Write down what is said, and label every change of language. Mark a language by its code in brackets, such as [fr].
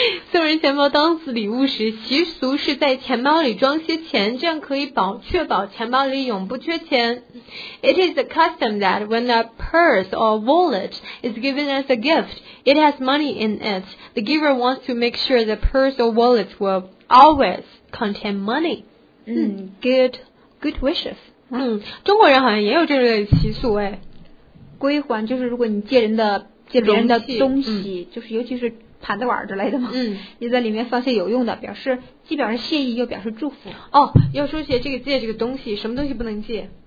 [zh] 送人钱包当做礼物时，习俗是在钱包里装些钱，这样可以确保钱包里永不缺钱。 [en] It is a custom that when a purse or wallet is given as a gift, it has money in it. The giver wants to make sure the purse or wallet will always contain money. Good wishes. [zh] 嗯，中国人好像也有这类习俗哎。归还就是如果你借别人的东西，就是尤其是盘子碗之类的嘛，嗯，你在里面放些有用的，表示既表示谢意又表示祝福。哦，要说起这个借这个东西，什么东西不能借？